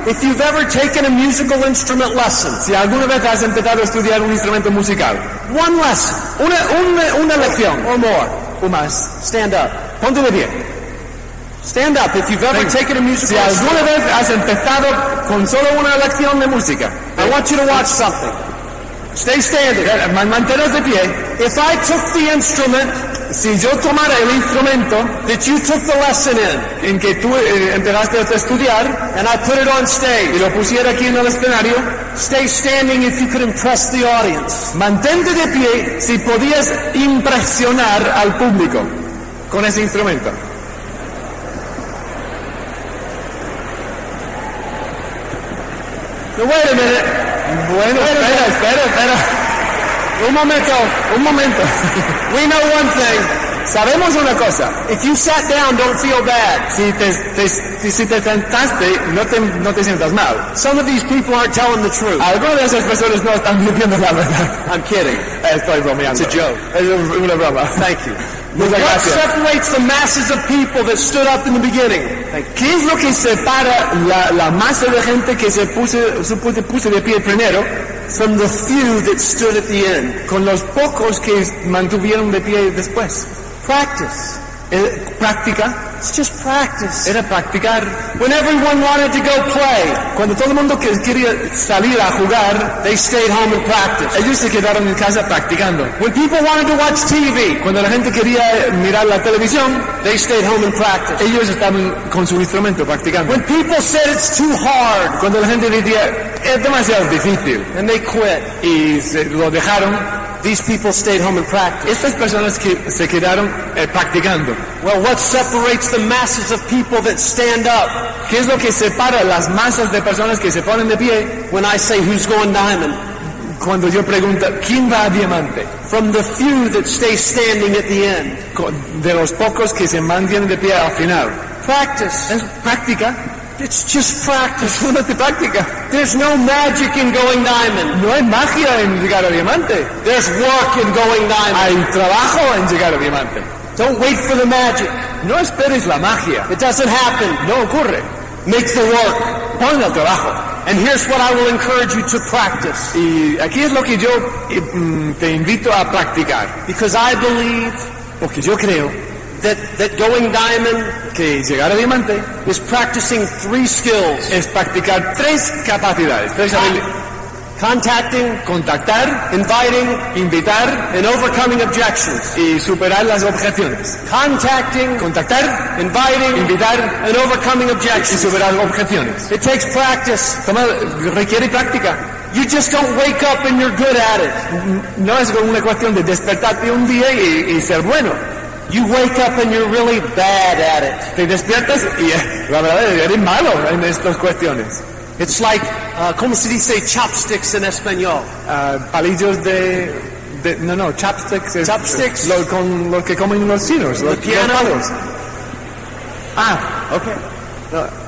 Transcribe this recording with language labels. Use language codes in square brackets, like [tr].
[en] if you've ever taken a musical instrument lesson, [es] si alguna vez has empezado a estudiar un instrumento musical, [en] one lesson, [es] una lección, [en] or more, [es] o más, [en] stand up, [es] ponte de pie. [en] Stand up if you've ever taken a musical lesson. [es] Si alguna vez has empezado con solo una lección de música, [en] I want you to watch something. Stay standing. [es] Manténos de pie. [en] If I took the instrument, [es] si yo tomara el instrumento [en] that you took the lesson in, [es] en que tú empezaste a estudiar, [en] and I put it on stage, [es] y lo pusiera aquí en el escenario, [en] stay standing if you could impress the audience. [es] Mantente de pie si podías impresionar al público con ese instrumento. [en] Now, wait a minute. [es] Bueno, espera. Un momento. [en] We know one thing. [es] Sabemos una cosa. [en] If you sat down, don't feel bad. [es] Si te sentaste, no te sientas mal. [en] Some of these people aren't telling the truth. [es] Algunas de esas personas no están diciendo la verdad. [en] I'm kidding. [es] Estoy bromeando. [en] It's a joke. [es] Es una broma. [en] Thank you. [es] Muchas [en] what [es] gracias. [en] Separates the masses of people that stood up in the beginning? [es] ¿Qué es lo que separa la masa de gente que se puso de pie primero [en] from the few that stood at the end? [es] Con los pocos que mantuvieron de pie después. [en] Practice. [es] Práctica. [en] It's just practice. [es] Era practicar. [en] When everyone wanted to go play, [es] cuando todo el mundo quería salir a jugar, [en] they stayed home and practiced. [es] Ellos se quedaron en casa practicando. [en] When people wanted to watch TV, [es] cuando la gente quería mirar la televisión, [en] they stayed home and practiced. [es] Ellos estaban con su instrumento practicando. [en] When people said it's too hard, [es] cuando la gente decía es demasiado difícil, [en] and they quit, [es] y se lo dejaron. [en] These people stayed home and practiced. [es] Estas personas que se quedaron practicando. [en] Well, what separates the masses of people that stand up? [es] ¿Qué es lo que separa las masas de personas que se ponen de pie? [en] When I say who's going diamond, [es] cuando yo pregunto quién va a diamante, [en] from the few that stay standing at the end, [es] de los pocos que se mantienen de pie al final. [en] Practice. [es] Es práctica. [en] It's just practice. [es] Es solamente práctica. [en] There's no magic in going diamond. [es] No hay magia en llegar a diamante. [en] There's work in going diamond. [es] Hay trabajo en llegar a diamante. [en] Don't wait for the magic. [es] No esperes la magia. [en] It doesn't happen. [es] No ocurre. [en] Make the work. [es] Pon el trabajo. [en] And here's what I will encourage you to practice. [es] Y aquí es lo que yo te invito a practicar. [en] Because I believe. [es] Porque yo creo. [en] That going diamond, [es] que llegar a diamante, [en] is practicing three skills. [es] Es practicar tres capacidades. [en] Contacting, [es] contactar, [en] inviting, [es] invitar, [en] and overcoming objections. [es] Y superar las objeciones. [en] Contacting, [es] contactar, [en] inviting, [es] invitar, [en] and overcoming objections. [es] Y superar objeciones. [en] It takes practice. [es] Requiere práctica. [en] You just don't wake up and you're good at it. [es] No es una cuestión de despertarte un día y ser bueno. [en] You wake up and you're really bad at it. [es] Te despiertas y la verdad eres malo en estas cuestiones. [en] It's like, [es] ¿cómo se dice chopsticks en español? Palillos de chopsticks. [en] Chopsticks. [es] Con lo que comen los chinos, los pianos. [en] Ah, okay. No.